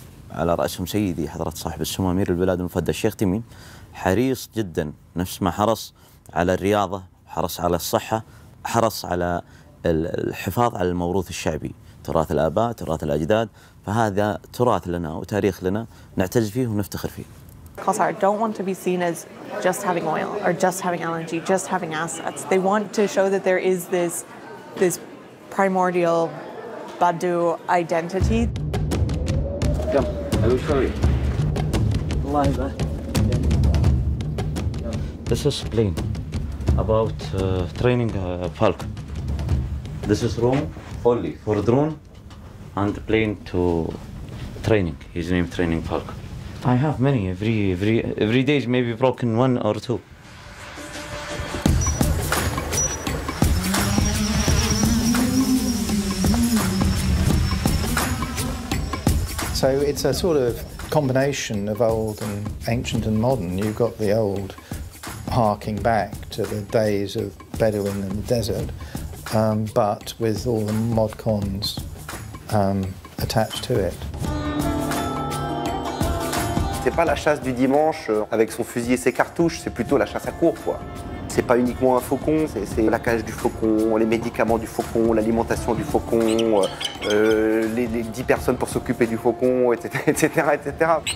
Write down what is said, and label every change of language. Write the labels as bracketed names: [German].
[Arabic] على رأسهم سيدي حضرة صاحب السمو أمير البلاد المفدى الشيخ تميم حريص جدا نفس ما حرص على الرياضة حرص على الصحة حرص على الحفاظ على الموروث الشعبي تراث الآباء تراث الأجداد فهذا تراث لنا وتاريخ لنا نعتز فيه ونفتخر فيه. [English] Qatar don't want to be seen as just having oil or just having LNG, just having assets. They want to show that there is this primordial Badu identity. Come, I will show you. This is plane about training Falcon. This is room only for drone and plane to training. His name training Falcon. I have many every day maybe broken one or two. So it's a sort of combination of old and ancient and modern. You've got the old harking back to the days of Bedouin and the desert, but with all the mod cons attached to it. [French] C'est pas la chasse du dimanche avec son fusil et ses cartouches, c'est plutôt la chasse à court, quoi. C'est pas uniquement un faucon, c'est la cage du faucon, les médicaments du faucon, l'alimentation du faucon, les 10 personnes pour s'occuper du faucon, etc., etc., etc.